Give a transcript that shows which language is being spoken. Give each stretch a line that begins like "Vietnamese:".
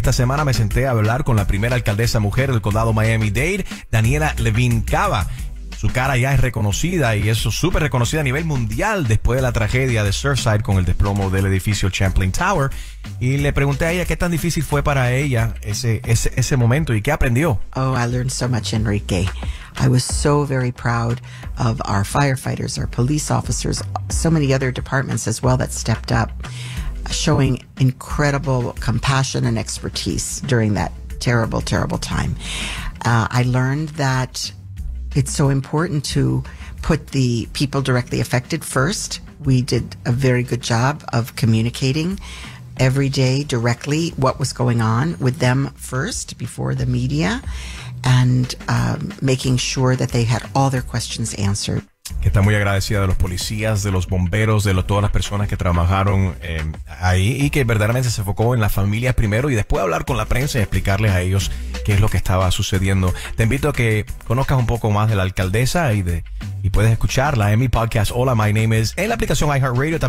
Spanish: Esta semana me senté a hablar con la primera alcaldesa mujer del condado Miami-Dade, Daniela Levin Cava. Su cara ya es reconocida y es súper reconocida a nivel mundial después de la tragedia de Surfside con el desplomo del edificio Champlain Tower. Y le pregunté a ella qué tan difícil fue para ella ese momento y qué aprendió.
English: Oh, I learned so much, Enrique. I was so very proud of our firefighters, our police officers, so many other departments as well that stepped up, showing incredible compassion and expertise during that terrible, terrible time. I learned that it's so important to put the people directly affected first. We did a very good job of communicating every day directly what was going on with them first before the media, and making sure that they had all their questions answered.
Spanish: Que está muy agradecida de los policías, de los bomberos, de todas las personas que trabajaron ahí, y que verdaderamente se enfocó en la familia primero y después hablar con la prensa y explicarles a ellos qué es lo que estaba sucediendo. Te invito a que conozcas un poco más de la alcaldesa y puedes escucharla en mi podcast Hola, My Name Is en la aplicación iHeartRadio.